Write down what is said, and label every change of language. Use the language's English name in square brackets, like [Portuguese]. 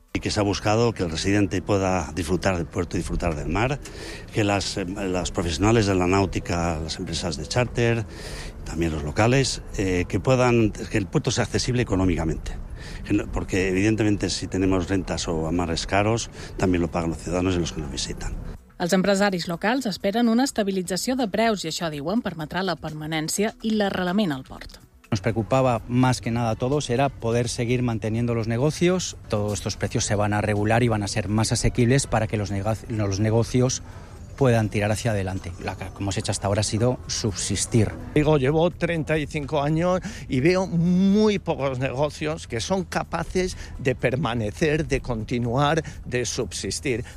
[Spanish] Y que se ha buscado que el residente pueda disfrutar del puerto y disfrutar del mar, que las profesionales de la náutica, las empresas de charter, también los locales, que puedan, que el puerto sea accesible económicamente. Porque evidentemente si tenemos rentas o amarres caros, también lo pagan los ciudadanos y los que nos visitan. [Catalan] Els empresaris locals esperen una estabilització de preus i això, diuen, permetrà la permanència i l'arrelament al port. [Spanish] Nos preocupaba más que nada a todos era poder seguir manteniendo los negocios. Todos estos precios se van a regular y van a ser más asequibles para que los negocios puedan tirar hacia adelante. La que hemos hecho hasta ahora ha sido subsistir. Digo, llevo 35 años y veo muy pocos negocios que son capaces de permanecer, de continuar, de subsistir.